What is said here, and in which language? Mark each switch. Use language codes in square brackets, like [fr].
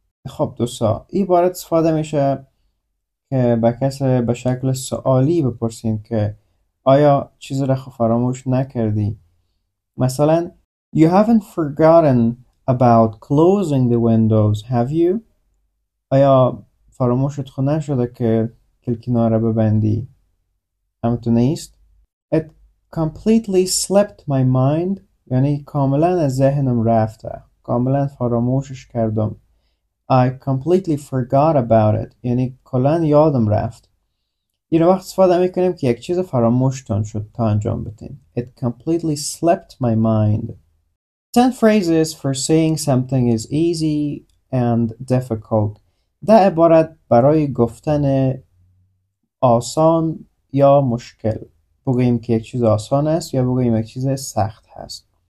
[fa] خب دوستا، این عبارت استفاده میشه که به کسی به شکل سوالی بپرسیم که آیا چیزی را فراموش نکردی. [en] مثلا You haven't forgotten about closing the windows, have you? [fa] آیا فراموشت خو نشده که کلکینار را ببندی؟ همتو نیست؟ [en] It completely slipped my mind. [fa] یعنی کاملا از ذهنم رفته. کاملا فراموشش کردم. [en] I completely forgot about it. [fa] یعنی کلا یادم رفت. این وقت استفاده میکنیم که یک چیز فراموشتون شد تا انجام بتین. [en] It completely slipped my mind. 10 phrases for saying something is easy and difficult. [fa] ده عبارت برای گفتن آسان یا مشکل. بگوییم که یک چیز آسان است یا بگوییم یک چیز سخت هست.